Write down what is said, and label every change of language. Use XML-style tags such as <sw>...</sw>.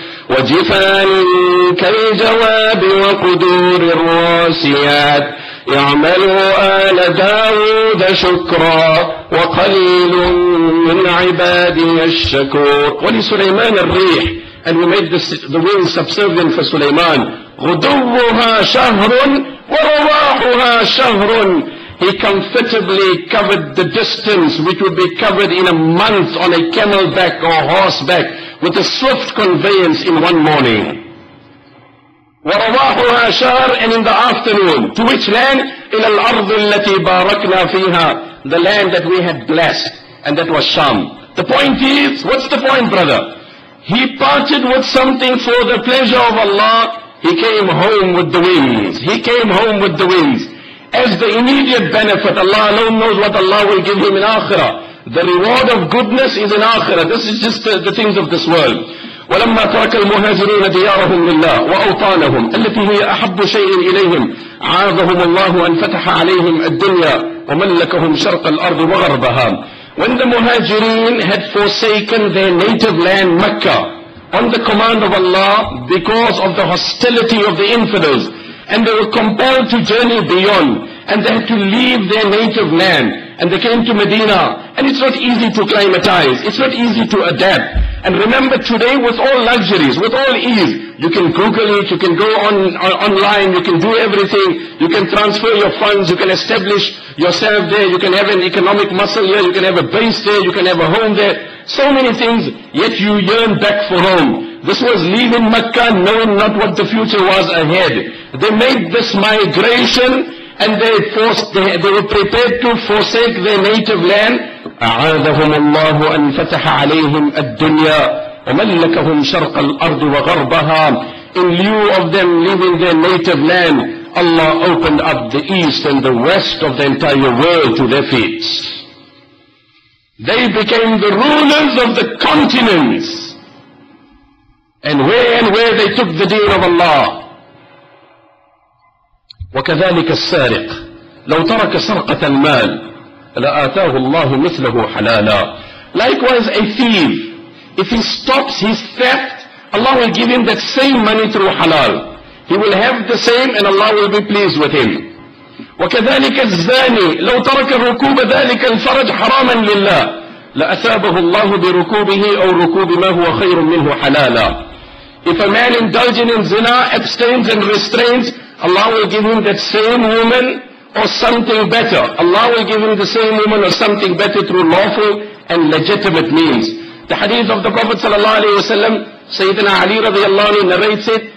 <ar>وجفان كالجواب وقدور الراسيات يعملوا آل داود شكرا وقليل من عبادي الشكور. ولسليمان الريح</ar> <en>and we made the wind subservient for سليمان.</en> <ar>غدوها شهر ورواحها شهر.</ar> <en>He comfortably covered the distance which would be covered in a month on a camel back or horseback with a swift conveyance in one morning.</en> <ar>ورواحها شهر</ar> <en>and in the afternoon. To which land?</en> <ar>إلى الأرض التي باركنا فيها.</ar> <en>The land that we had blessed. And that was Sham. The point is, what's the point, brother? He parted with something for the pleasure of Allah. He came home with the winds. He came home with the winds. As the immediate benefit, Allah alone knows what Allah will give him in Akhirah. The reward of goodness is in Akhirah. This is just the things of this world.</en> <ar>ولما ترك المهاجرون ديارهم لله وأوطانهم التي هي أحب شيء إليهم عاذهم الله أن فتح عليهم الدنيا وملكهم شرق الأرض وغربها.</ar> <en>When the Muhajirin had forsaken their native land Mecca on the command of Allah because of the hostility of the infidels and they were compelled to journey beyond and they had to leave their native land and they came to Medina and it's not easy to acclimatize, it's not easy to adapt. And remember today with all luxuries, with all ease, you can Google it, you can go online, you can do everything, you can transfer your funds, you can establish yourself there, you can have an economic muscle here, you can have a base there, you can have a home there, so many things, yet you yearn back for home. This was leaving Mecca knowing not what the future was ahead. They made this migration and they were prepared to forsake their native land.</en> <ar>أعاذهم الله أن فتح عليهم الدنيا وملكهم شرق الأرض وغربها.</ar> <en>In lieu of them leaving their native land, Allah opened up the east and the west of the entire world to their feet. They became the rulers of the continents. And where they took the deen of Allah.</en> <ar>وكذلك السارق لو ترك سرقة المال لآتاه الله مثله حلالا.</ar> <en>Likewise a thief, if he stops his theft, Allah will give him that same money through halal. He will have the same and Allah will be pleased with him.</en> <ar>وكذلك الزاني لو ترك الركوب ذلك الفرج حراما لله لأثابه الله بركوبه أو ركوب ما هو خير منه حلالا.</ar> <en>If a man indulging in zina abstains and restrains, Allah will give him that same woman or something better. Allah will give him the same woman or something better through lawful and legitimate means. The hadith of the Prophet sallallahu alaihi wasallam, Sayyidina Ali radiallahu anhu narrates it.</en>